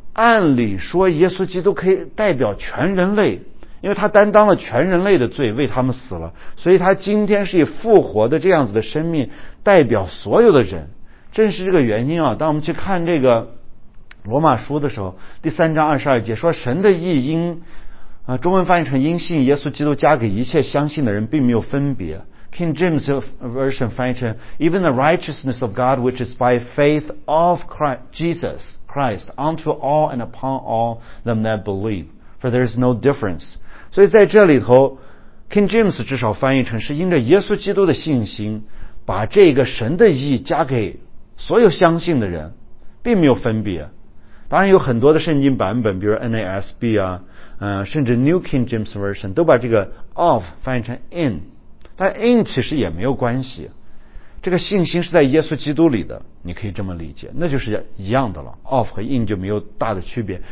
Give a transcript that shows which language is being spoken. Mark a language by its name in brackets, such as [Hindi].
[Chinese] 按理说耶稣基督可以代表全人类，因为他担当了全人类的罪，为他们死了，所以他今天是以复活的这样子的生命代表所有的人。正是这个原因啊，当我们去看这个罗马书的时候，第三章二十二节说，神的义因中文翻译成因信耶稣基督加给一切相信的人并没有分别。 [English] King James Version [Chinese] 翻译成 [English] Even the righteousness of God which is by faith of Jesus Christ unto all and upon all them that believe, for there is no difference. [Chinese] 所以在这里头 King James 至少翻译成是因着耶稣基督的信心把这个神的义加给所有相信的人，并没有分别。当然有很多的圣经版本，比如 NASB 啊，甚至 New King James Version 都把这个 of 翻译成 in， 但 in 其实也没有关系，这个信心是在耶稣基督里的，你可以这么理解，那就是一样的了， of 和 in 就没有大的区别。